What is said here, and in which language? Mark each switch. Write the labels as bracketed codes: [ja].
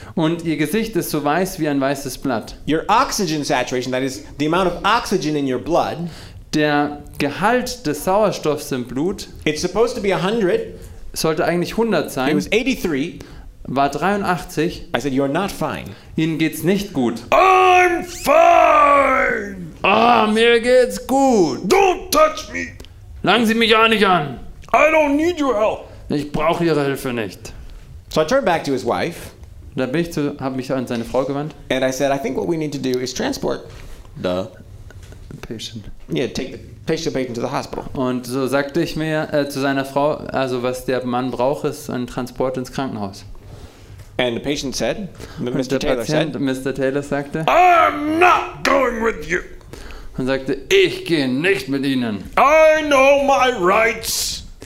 [de] Und Ihr Gesicht ist so weiß wie ein weißes Blatt. [en] Your oxygen saturation, that is the amount of oxygen in your blood, [de] der Gehalt des Sauerstoffs im Blut, [en] it's supposed to be 100, [de] sollte eigentlich 100 sein. [en] It was 83, [de] war 83. [en] I said, you're not fine. [de] Ihnen geht's nicht gut. [en] I'm fine. [de] Ah, mir geht's gut. [en] Don't touch me. [de] Langen Sie mich ja nicht an. [en] I don't need your help. [de] Ich brauche Ihre Hilfe nicht. [en] So I turned back to his wife. [de] Da bin ich habe mich an seine Frau gewandt. [en] And I said, I think what we need to do is transport the patient. Yeah, take the patient to the hospital. [de] Und so sagte ich mir zu seiner Frau, also was der Mann braucht, ist ein Transport ins Krankenhaus. [en] And the patient said, [de] Mr. Taylor sagte, [en] I'm not going with you. [de] Und sagte, ich gehe nicht mit Ihnen. [en] I know my rights.